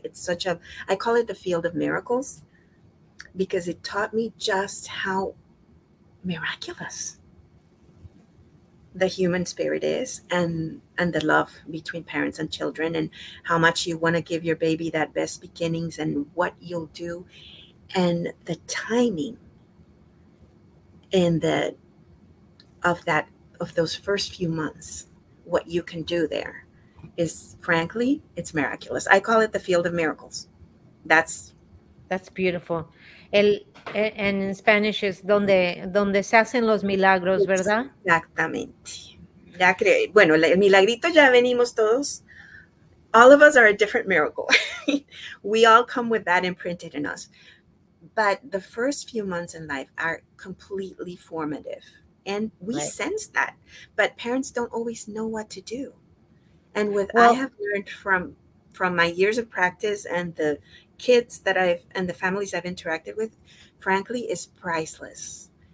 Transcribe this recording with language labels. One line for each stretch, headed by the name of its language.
English: It's such a, I call it the field of miracles, because it taught me just how miraculous the human spirit is and the love between parents and children and how much you want to give your baby that best beginnings and what you'll do and the timing in the of that of those first few months, what you can do there is, frankly, it's miraculous. I call it the field of miracles. That's beautiful. And in Spanish is
Spanish: donde se hacen los milagros, ¿verdad? Exactamente. Bueno, el milagrito ya venimos todos.
English: All of us are a different miracle. We all come with that imprinted in us. But the first few months in life are completely formative. And we right. sense that. But parents don't always know what to do. And what I have learned from my years of practice and the kids that I've and the families I've interacted with, frankly, is priceless.